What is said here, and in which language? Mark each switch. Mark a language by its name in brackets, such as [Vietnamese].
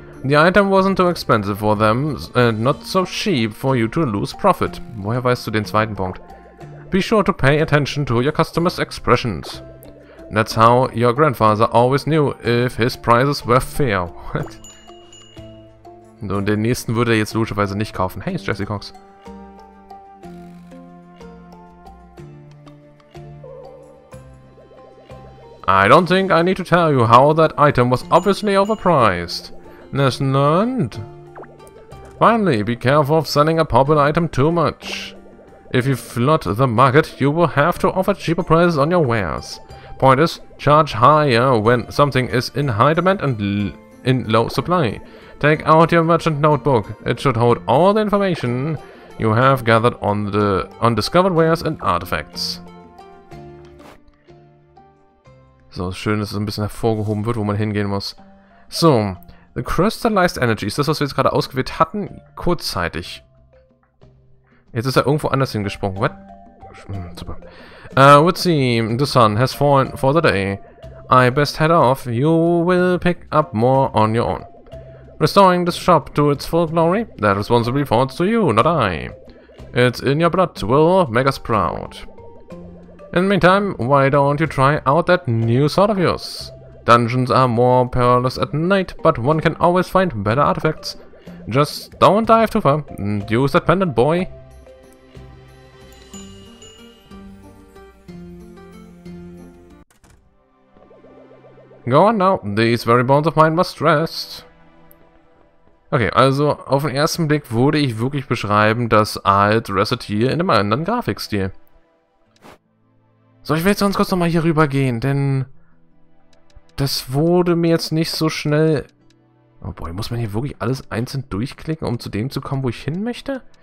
[English] The item wasn't too expensive for them, and not so cheap for you to lose profit. [German] Woher weißt du den zweiten Punkt? [English] Be sure to pay attention to your customers' expressions. That's how your grandfather always knew if his prices were fair. What? [German] Nun, den nächsten würde er jetzt logischerweise nicht kaufen. [English] Hey, it's Jesse Cox. I don't think I need to tell you how that item was obviously overpriced. Nesnund? Finally, be careful of selling a popular item too much. If you flood the market, you will have to offer cheaper prices on your wares. Point is, charge higher when something is in high demand and in low supply. Take out your merchant notebook. It should hold all the information you have gathered on the undiscovered wares and artifacts. [German] So, schön, dass es ein bisschen hervorgehoben wird, wo man hingehen muss. [English] So, the crystallized energy. [German] Ist das, was wir jetzt gerade ausgewählt hatten? Kurzzeitig. Jetzt ist er irgendwo anders hingesprungen. [English] What? [German] Super. [English] Would seem the sun has fallen for the day. I best head off. You will pick up more on your own. Restoring this shop to its full glory? That responsibility falls to you, not I. It's in your blood. Will make us proud. In the meantime, why don't you try out that new sword of yours? Dungeons are more perilous at night, but one can always find better artifacts. Just don't dive too far and use that pendant, boy. Go on now, these very bones of mine must rest. [German] Okay, also auf den ersten Blick würde ich wirklich beschreiben, dass alt restet hier in einem anderen Grafikstil. So, ich will jetzt ganz kurz nochmal hier rüber gehen, denn das wurde mir jetzt nicht so schnell... Oh boy, muss man hier wirklich alles einzeln durchklicken, um zu dem zu kommen, wo ich hin möchte?